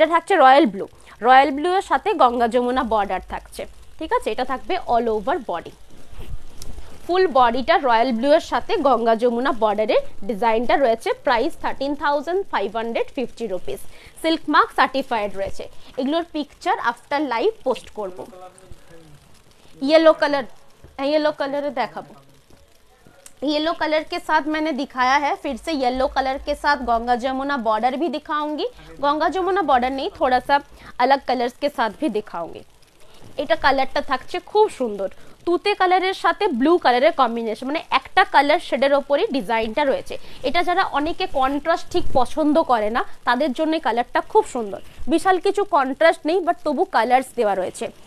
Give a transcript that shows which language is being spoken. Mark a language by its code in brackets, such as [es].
[bn] এটা থাকছে royal blue, royal blue এর সাথে গঙ্গা যমুনা বর্ডার থাকছে, ঠিক আছে, এটা থাকবে অল ওভার বডি, ফুল বডিটা রয়্যাল ব্লু এর সাথে গঙ্গা যমুনা বর্ডারে ডিজাইনটা রয়েছে। Price 13,550 rupees, silk mark certified রয়েছে, এগুলোর পিকচার আফটার লাইভ পোস্ট করব। ইয়েলো কালার দেখাবো, [hi] येलो कलर के साथ मैंने दिखाया है, फिर से येलो कलर के साथ गंगा जमुना बॉर्डर भी दिखाऊंगी, गंगा जमुना बॉर्डर नहीं, थोड़ा सा अलग कलर्स के साथ भी दिखाऊंगी। [bn] এটা কালারটা থাকছে খুব সুন্দর, তুতে কালারের সাথে ব্লু কালারের কম্বিনেশন, মানে একটা কালার শেডের ওপরই ডিজাইনটা রয়েছে। এটা যারা অনেকে কন্ট্রাস্ট ঠিক পছন্দ করে না তাদের জন্য কালারটা খুব সুন্দর, বিশাল কিছু কন্ট্রাস্ট নেই বাট তবু কালার্স দেওয়া রয়েছে।